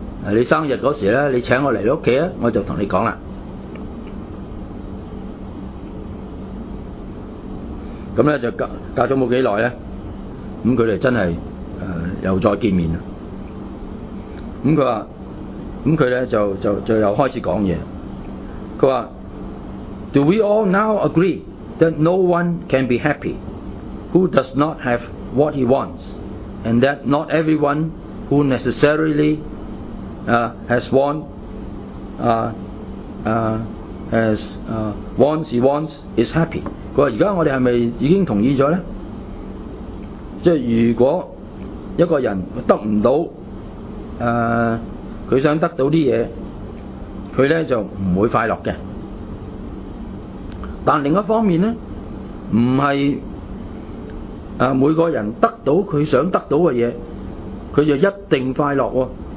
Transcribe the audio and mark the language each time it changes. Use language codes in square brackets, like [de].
[yue] 你生日嗰時咧，你請我嚟你屋企啊，我就同你講啦。咁咧就隔咗冇幾耐咧，咁佢哋真係又再見面啦。咁佢話，咁佢咧就又開始講嘢。佢話 [en] ：Do we all now agree that no one can be happy who does not have what he wants, and that not everyone who necessarily wants he wants is happy。 [yue] 佢話：而家我哋係咪已經同意咗咧？即係如果一個人得唔到佢想得到啲嘢，佢咧就唔會快樂嘅。但另一方面咧，唔係每個人得到佢想得到嘅嘢，佢就一定快樂喎。